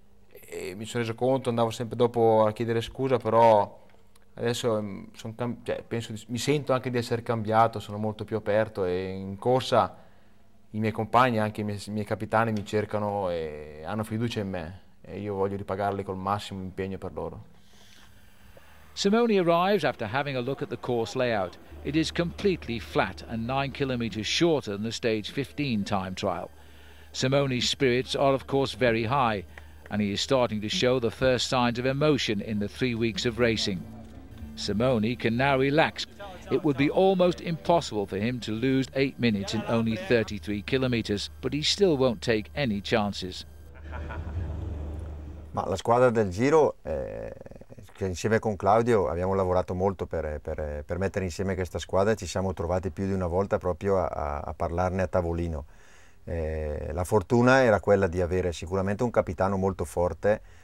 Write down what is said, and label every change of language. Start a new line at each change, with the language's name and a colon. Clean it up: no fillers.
Italian: E mi sono reso conto, andavo sempre dopo a chiedere scusa, però adesso mi sento anche di essere cambiato, sono molto più aperto e in corsa I miei compagni, anche i miei capitani mi cercano e hanno fiducia in me. E io voglio ripagarli col massimo impegno per loro.
English: Simoni arrives after having a look at the course layout. It is completely flat and 9 kilometers shorter than the stage 15 time trial. Simoni's spirits are of course very high and he is starting to show the first signs of emotion in the 3 weeks of racing. Simoni can now relax. It would be almost impossible for him to lose 8 minutes in only 33 kilometers, but he still won't take any chances.
Italian: Ma la squadra del Giro, che insieme con Claudio abbiamo lavorato molto per mettere insieme questa squadra, ci siamo trovati più di una volta proprio a parlarne a tavolino. La fortuna era quella di avere sicuramente un capitano molto forte